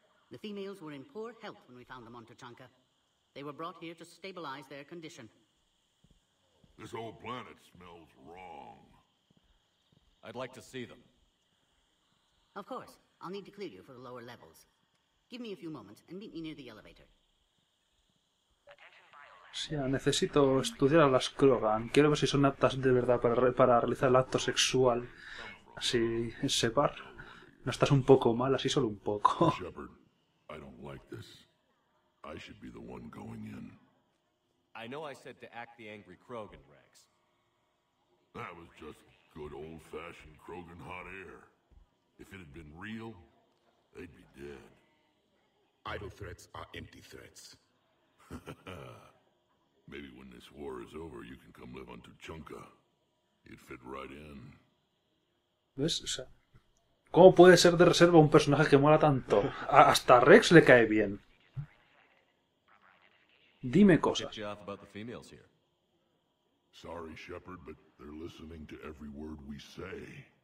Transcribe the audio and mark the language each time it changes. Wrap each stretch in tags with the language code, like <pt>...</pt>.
<en>The females were in poor health when we found them on T'Chanka. They were brought here to stabilize their condition. This whole planet smells wrong. I'd like to see them. Of course. I'll need to clear you for the lower levels. Give me a few moments and meet me near the elevator.</en> <es>Sí, necesito estudiar a las Krogan. Quiero ver si son aptas de verdad para realizar el acto sexual. Así, Separ. No estás un poco mal, así solo un poco.</es> <en>Shepard, I don't like this. I should be the one going in. I know I said to act the angry Krogan, Rex. That was just good old-fashioned Krogan hot air. If it had been real, they'd be dead. Idle threats are empty threats. Maybe when this war is over, you can come live on Tuchunka. You'd fit right in.</en> <es>¿Ves? O sea, ¿cómo puede ser de reserva un personaje que mola tanto? Hasta Rex le cae bien. Dime cosas.</es> <en>Sorry, Shepard, but they're listening to every word we say.</en>